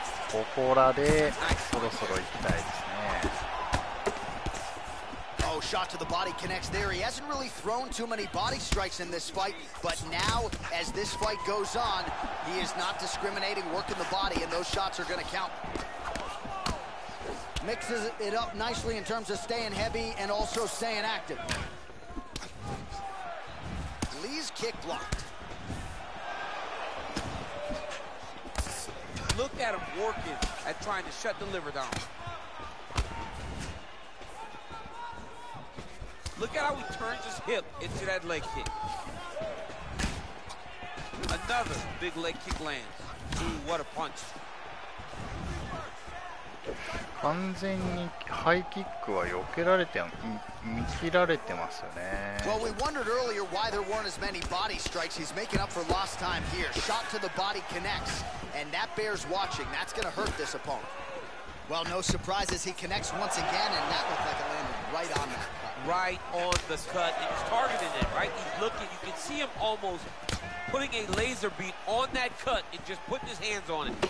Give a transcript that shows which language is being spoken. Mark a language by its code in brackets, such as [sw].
[ja] ここらでそろそろ行きたいですね。 [en] Oh, shot to the body connects there. He hasn't really thrown too many body strikes in this fight, but now as this fight goes on, he is not discriminating, working the body, and those shots are going to count. Mixes it up nicely in terms of staying heavy and also staying active. Lee's kick blocked. Look at him working at trying to shut the liver down. Look at how he turns his hip into that leg kick. Another big leg kick lands. Ooh, what a punch. [ja] 完全にハイキックは避けられて、見切られてますよね。 [en] Well, we wondered earlier why there weren't as many body strikes. He's making up for lost time here. Shot to the body connects, and that bears watching. That's going to hurt this opponent. Well, no surprises. He connects once again, and that looked like it landed right on that cut. Right on the cut. He's targeting it, right? He's looking. You can see him almost putting a laser beat on that cut and just putting his hands on it.